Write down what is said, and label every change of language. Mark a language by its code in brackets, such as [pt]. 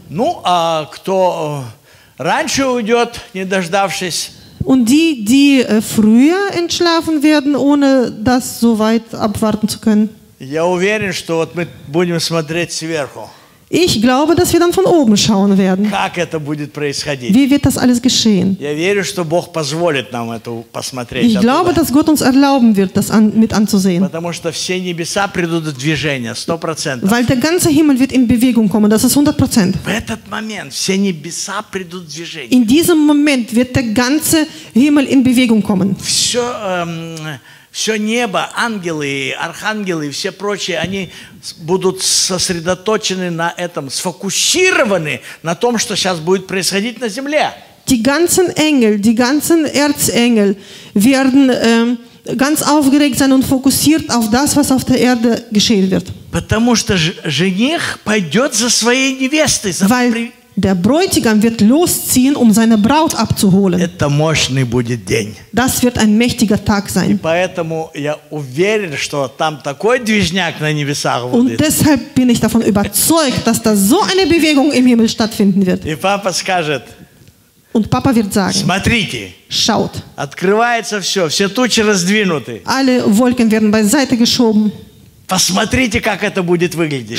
[ru] Ну, а кто раньше уйдет, не дождавшись, [de] und die, die früher entschlafen werden, ohne das so weit abwarten zu können. [ru] Я уверен, что вот мы будем смотреть сверху. [de] Ich glaube, dass wir dann von oben schauen werden. [ru] Как это будет происходить? [de] Wie wird das alles geschehen? [ru] Я верю, что Бог позволит нам это посмотреть. [de] Ich glaube, dass Gott uns erlauben wird, das mit anzusehen. [ru] Потому что все небеса придут в движение, 100%. [de] Weil der ganze Himmel wird in Bewegung kommen, das ist 100%. [ru] В этот момент все небеса придут в движение. [de] In diesem Moment wird der ganze Himmel in Bewegung kommen. [ru] Все, все небо, ангелы, архангелы и все прочие, они будут сосредоточены на этом, сфокусированы на том, что сейчас будет происходить на земле. [de] Die ganzen Engel, die ganzen Erzengel werden ganz aufgeregt sein und fokussiert auf das, was auf der Erde geschehen wird. [ru] Потому что жених пойдет за своей невестой. [de] Weil der Bräutigam wird losziehen, um seine Braut abzuholen. [ru] Это мощный будет день. [de] Das wird ein mächtiger Tag sein. [ru] И поэтому я уверен, что там такой движняк на небесах будет. [de] Und deshalb bin ich davon überzeugt, dass da so eine Bewegung im Himmel stattfinden wird. [ru] И папа скажет. [de] Und Papa wird sagen. [ru] Смотрите. [de] Schaut. [ru] Открывается все, все тучи раздвинуты. [de] Alle Wolken werden beiseite geschoben. [ru] Посмотрите, как это будет выглядеть.